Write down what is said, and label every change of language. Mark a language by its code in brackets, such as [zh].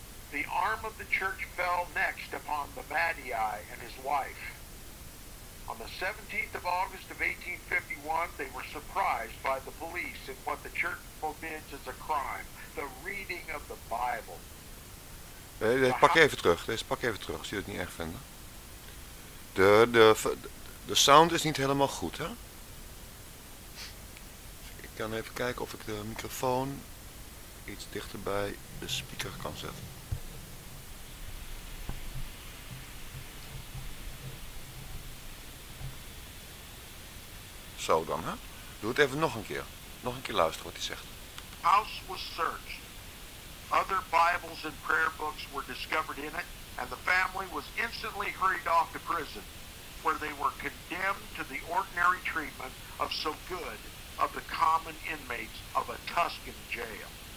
[en] The arm of the church fell next upon the Badii and his wife. On the 17th of August of 1851, they were surprised by the police in what the church forbids as a crime, the reading of the Bible. [nl] Deze pak even terug, als je het niet erg vindt. De sound is niet helemaal goed, hè? Ik kan even kijken of ik de microfoon iets dichterbij de speaker kan zetten. Zo dan, hè? Doe het even nog een keer. Nog een keer luisteren wat hij zegt. [en] House was searched. Other Bibles and prayer books were discovered in it, and the family was instantly hurried off to prison, where they were condemned to the ordinary treatment of so good of the common inmates of a Tuscan jail.